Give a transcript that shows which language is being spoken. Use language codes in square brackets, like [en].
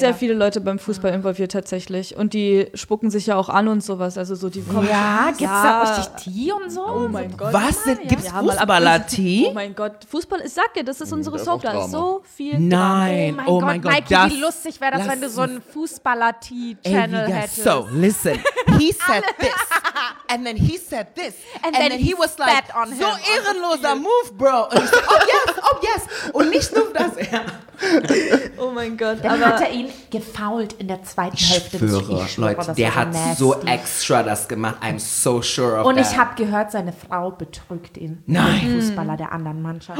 [de] Sehr viele Leute beim Fußball involviert tatsächlich. Und die spucken sich ja auch an und sowas. Also so die ja, gibt es da richtig Tee und so? Oh mein Gott. Was? Ja. Gibt es ja, Fußballer-Tee? Oh mein Gott. Fußball, ich sag dir, das ist unsere Soap. Da ist so viel Nein. Oh mein Gott. Mikey, wie lustig wäre das, wenn du so einen Fußballer-Tee-Channel [en] So, listen, he said this, and then he said this, and then he was like, on [de] so ehrenloser Move, [en] bro. [de] Und ich so, [en] oh yes, [de] und nicht nur das. Oh mein Gott. Dann hat er ihn gefoult in der zweiten Hälfte. Ich schwöre, Leute, der hat so extra das gemacht. [en] I'm so sure of that. [de] Und ich habe gehört, seine Frau betrügt ihn. Nein. Fußballer der anderen Mannschaft.